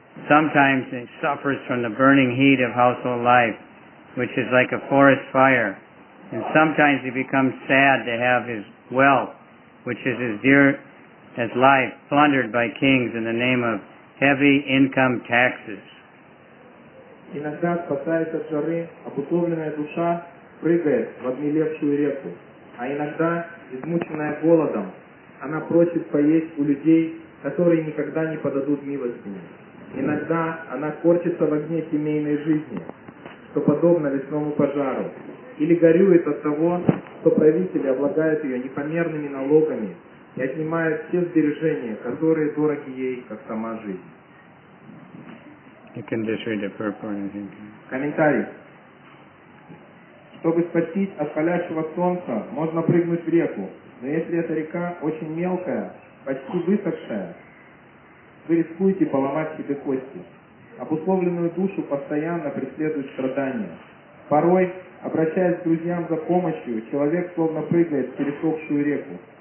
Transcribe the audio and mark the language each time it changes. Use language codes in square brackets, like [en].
[en] Sometimes he suffers from the burning heat of household life, which is like a forest fire. And sometimes he becomes sad to have his wealth, which is as dear as life, plundered by kings in the name of heavy income taxes. [ru] Иногда спасает от жары обусловленная душа, прыгает в обмелевшую реку, а иногда, измученная голодом, она просит поесть у людей, которые никогда не подадут милостыню. Иногда она корчится в огне семейной жизни, что подобно лесному пожару, или горюет от того, что правители облагают ее непомерными налогами и отнимают все сбережения, которые дороги ей, как сама жизнь. [en] You can just read the purport, I think. [ru] Комментарий. Чтобы спастись от палящего солнца, можно прыгнуть в реку. Но если эта река очень мелкая, почти высохшая, вы рискуете поломать себе кости. Обусловленную душу постоянно преследуют страдания. Порой, обращаясь к друзьям за помощью, человек словно прыгает в пересохшую реку.